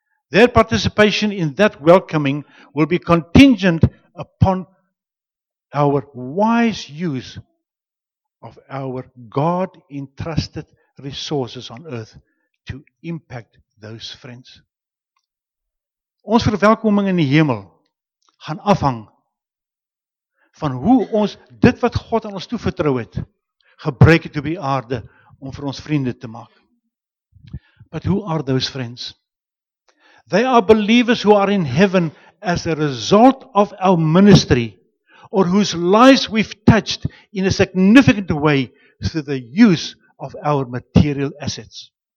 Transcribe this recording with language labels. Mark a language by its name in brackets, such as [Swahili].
[English] Their participation in that welcoming will be contingent upon our wise use of our God-entrusted resources on earth to impact those friends. [Afrikaans] Ons verwelkoming in die hemel gaan afhang van hoe ons dit wat God aan ons toevertrou het, gebruik het op die aarde om vir ons vriende te maak. [English] But who are those friends? They are believers who are in heaven as a result of our ministry, or whose lives we've touched in a significant way through the use of our material assets.